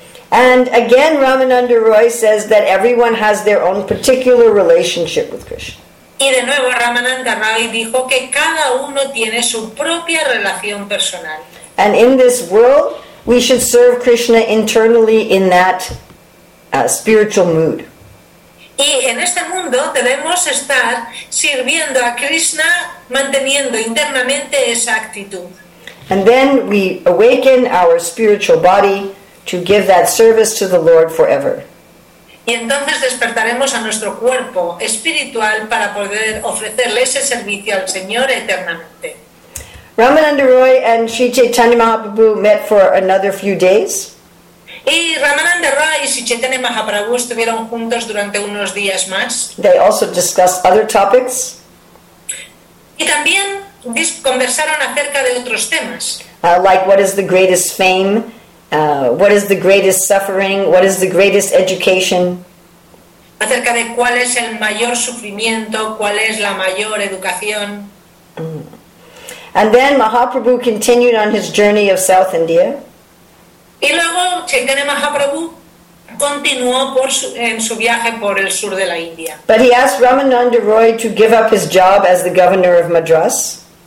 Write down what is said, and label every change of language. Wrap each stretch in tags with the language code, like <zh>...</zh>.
<en>And again, Ramananda Roy says that everyone has their own particular relationship with Krishna.</en> <es>Y de nuevo, Ramananda Roy dijo que cada uno tiene su propia relación personal.</es> <en>And in this world, we should serve Krishna internally in that spiritual mood.</en> <es>Y en este mundo debemos estar sirviendo a Krishna, manteniendo internamente esa actitud.</es> <en>And then we awaken our spiritual body to give that service to the Lord forever.</en> <es>Y entonces despertaremos a nuestro cuerpo espiritual para poder ofrecerle ese servicio al Señor eternamente.</es> <en>Ramananda Roy and Sri Chaitanya Mahaprabhu met for another few days.</en> <es>Y Ramananda Roy y Sri Chaitanya Mahaprabhu estuvieron juntos durante unos días más.</es> <en>They also discussed other topics.</en> <es>Y también conversaron acerca de otros temas.</es> <en>Like what is the greatest fame? What is the greatest suffering? What is the greatest education?</en> <es>Acerca de cuál es el mayor sufrimiento, cuál es la mayor educación.</es> <en>And then Mahaprabhu continued on his journey of South India.</en> <es>Y luego Chaitanya Mahaprabhu continuó en su viaje por el sur de la India.</es> <en>But he asked Ramananda Roy to give up his job as the governor of Madras.</en>